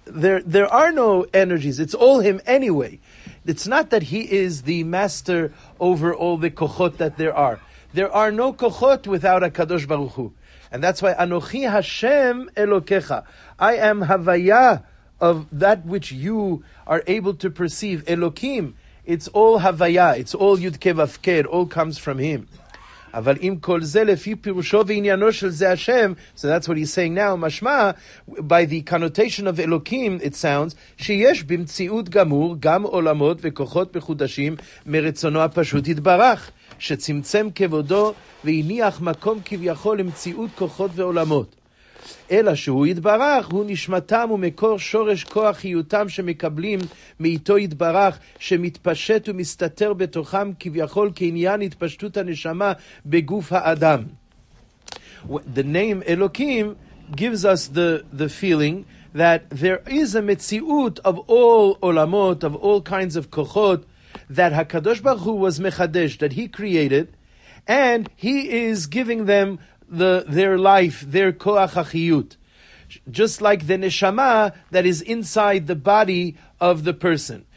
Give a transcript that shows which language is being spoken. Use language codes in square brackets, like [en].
[en] There are no energies. It's all Him anyway. It's not that He is the master over all the kochot that there are. There are no kochot without a Kadosh Baruch Hu. And that's why [he] Anochi Hashem Elokecha. [en] I am Havaya of that which you are able to perceive. Elokim. It's all Havaya. It's all Yud Kei Vav Kei. It all comes from Him. [he] אבל אם כל זה לפי פירושו ועניינו של זה השם, [en] so that's what he's saying now, [he] משמע, [en] by the connotation of Elohim, it sounds, [he] שיש במציאות גמור גם עולמות וכוחות מחודשים מרצונו הפשוט התברך, שצמצם כבודו והניח מקום כביכול למציאות כוחות ועולמות. אלא שהוא יתברך, הוא נשמתם ומקור שורש כוח חיותם שמקבלים מאיתו יתברך, שמתפשט ומסתתר בתוכם כביכול כעניין התפשטות הנשמה בגוף האדם. [en] The name Elohim gives us the feeling that there is a מציאות of all עולמות, of all kinds of כוחות, that הקדוש ברוך הוא was מחדש, that he created, and he is giving them their life, their koach achiyut, just like the neshama that is inside the body of the person.